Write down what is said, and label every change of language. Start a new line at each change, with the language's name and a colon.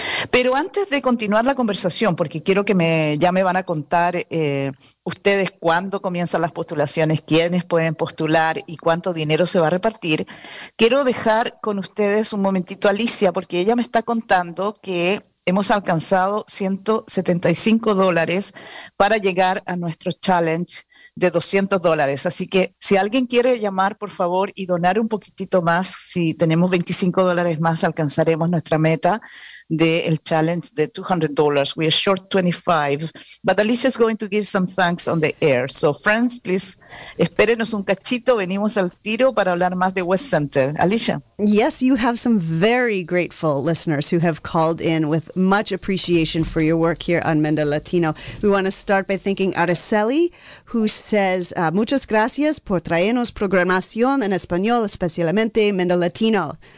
Spanish: Pero antes de continuar la conversación, porque quiero que me van a contar ustedes cuándo comienzan las postulaciones, quiénes pueden postular y cuánto dinero se va a repartir, quiero dejar con ustedes un momentito a Alicia, porque ella me está contando que hemos alcanzado $175 para llegar a nuestro challenge de $200. Así que si alguien quiere llamar, por favor, y donar un poquitito más, si tenemos $25 más, alcanzaremos nuestra meta del challenge de $200.
English: We are short 25. But Alicia is going to give some thanks on the air. So, friends, please,
Spanish: espérenos un cachito. Venimos al tiro para hablar más de West Center. Alicia.
English: Yes, you have some very grateful listeners who have called in with much appreciation for your work here on Mendo Latino. We want to start by thanking Araceli, who says,
Spanish: muchas gracias por traernos programación en español, especialmente Mendo Latino.